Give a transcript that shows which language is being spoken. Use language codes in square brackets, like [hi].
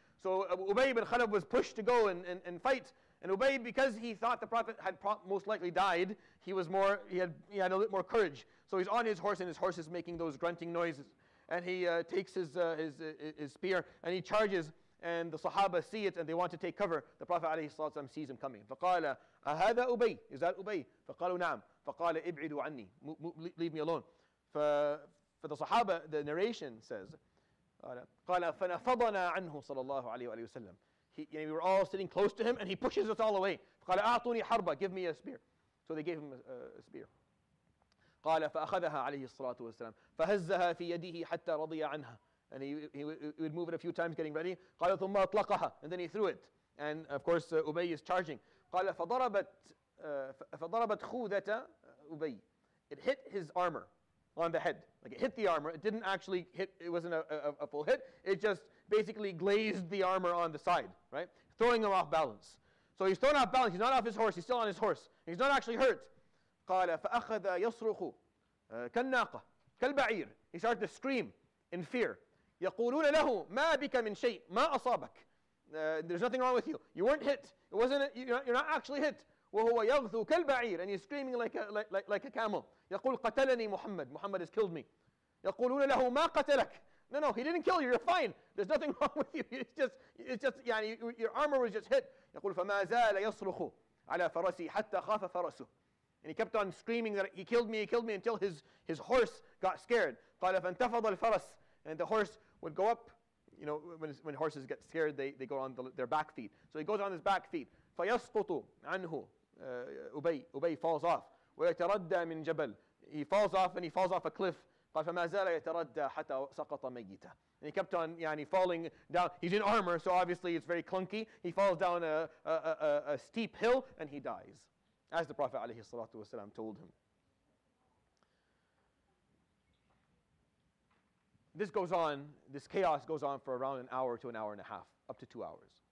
[en] So Ubay ibn Khalaf was pushed to go and fight. And Ubay, because he thought the Prophet had most likely died, he had a little more courage. So he's on his horse, and his horse is making those grunting noises. And he takes his spear, and he charges. And the Sahaba see it, and they want to take cover. The Prophet ﷺ sees him coming. [ar] فَقَالَ أَهَذَا Ubay? [en] Is that Ubay? [ar] فَقَالُوا نَعَمْ فَقَالَ إِبْعِدُوا عَنِّي [en] Leave me alone. For the Sahaba, the narration says, [ar] قال فنفضنا عنه صلى الله عليه وآله وسلم. [en] We were all sitting close to him, and he pushes us all away. [ar] قال أعطوني حربة, [en] give me a spear. So they gave him a spear. [ar] قال فأخذها عليه الصلاة والسلام فهزها في يده حتى رضي عنها. [en] And he would move it a few times, getting ready. [ar] قال ثم أطلقها, [en] and then he threw it. And of course, Ubay is charging. [ar] قال فضربت خوذة Ubay. [en] It hit his armor. On the head. Like it hit the armor. It didn't actually hit, it wasn't a full hit. It just basically glazed the armor on the side, right? Throwing him off balance. So he's thrown off balance. He's not off his horse. He's still on his horse. He's not actually hurt. [ar] قَالَ فَأَخَذَ يَصْرُخُ كَالنَّاقَ كَالْبَعِيرِ [en] He started to scream in fear. [ar] يَقُولُونَ لَهُ مَا بِكَ مِنْ شَيْءٍ مَا أَصَابَكَ [en] There's nothing wrong with you. You weren't hit. It wasn't, you're not actually hit. [ar] وَهُوَ يَغْثُ كَالْبَعِيرِ [en] And he's screaming like a camel. [ar] يَقُولْ قَتَلَنِي مُحَمَّدٍ [en] Muhammad has killed me. [ar] يَقُولُونَ لَهُ مَا قَتَلَكَ [en] No, no, he didn't kill you, you're fine. There's nothing wrong with you. It's just your armor was just hit. [ar] يَقُولْ فَمَا زَالَ يَصْرُخُ عَلَى فَرَسِي حَتَّى خَافَ فَرَسُ [en] And he kept on screaming that he killed me until his horse got scared. [ar] قَالَ فَانْتَفَضَ الْفَرَسِ [en] And the horse would go up. When horses get scared, they go on their back feet. So he goes on his back feet. [ar] فَيَسْقُطُ عَنْهُ [en] Ubay falls off. [ar] وَيَتَرَدَّى مِنْ جَبَلٍ [en] He falls off and he falls off a cliff. [ar] قَالَ فَمَا زَالَ يَتَرَدَّى حَتَّى سَقَطَ مَيِّتًا [en] And he kept on falling down. He's in armor, so obviously it's very clunky. He falls down a steep hill and he dies. As the Prophet عليه الصلاة والسلام told him. This goes on, this chaos goes on for around an hour to an hour and a half, up to 2 hours.